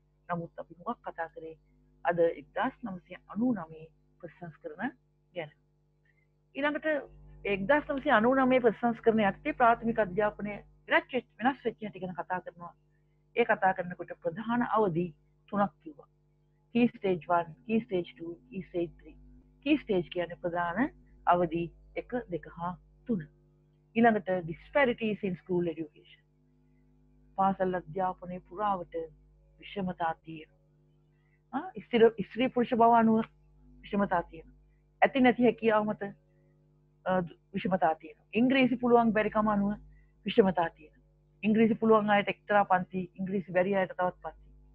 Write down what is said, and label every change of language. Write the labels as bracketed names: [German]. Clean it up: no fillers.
[Sinhala] නමුත් අපි මොකක් කතා කරේ අද 1999 ප්‍රතිසංස්කරණ ගැන. ඊළඟට 1999 ප්‍රතිසංස්කරණයත් ප්‍රාථමික අධ්‍යාපනයේ ග්‍රැජුවේට් වෙනස් වෙච්ච හැටි ගැන කතා කරනවා. ඒ කතා කරනකොට ප්‍රධාන අවදි තුනක් කිව්වා. [English] Key stage 1, key stage 2, key stage 3. [Sinhala] Key stage කියන්නේ ප්‍රධාන අවදි 1 2 හා 3. ඊළඟට [English] disparities in school education. [Sinhala] පාසල් අධ්‍යාපනයේ පුරාවට විෂමතා තියෙනවා. ස්ත්‍රී පුරුෂ බව අනුව විෂමතා තියෙනවා. ඇති නැති හැකියාව මත විෂමතා තියෙනවා. ඉංග්‍රීසි පුළුවන් බැරිකම අනුව විෂමතා තියෙනවා. ඉංග්‍රීසි පුළුවන් අයට එක්තරා පන්ති, ඉංග්‍රීසි බැරි අයට තවත් පන්ති.